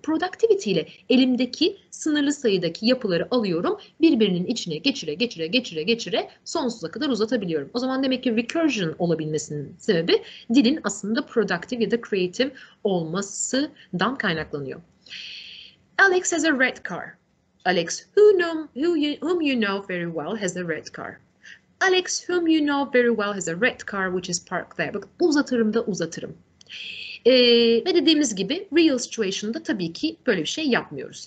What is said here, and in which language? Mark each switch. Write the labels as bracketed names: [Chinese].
[Turkish] Productivity ile elimdeki sınırlı sayıdaki yapıları alıyorum. Birbirinin içine geçire sonsuza kadar uzatabiliyorum. O zaman demek ki recursion olabilmesinin sebebi dilin aslında productive ya da creative olmasından kaynaklanıyor. [English] Alex has a red car. Alex, whom you know very well, has a red car. Alex, whom you know very well, has a red car, which is parked there. [Turkish] Bak, uzatırım da uzatırım. Ve dediğimiz gibi, real situation'da tabii ki böyle bir şey yapmıyoruz.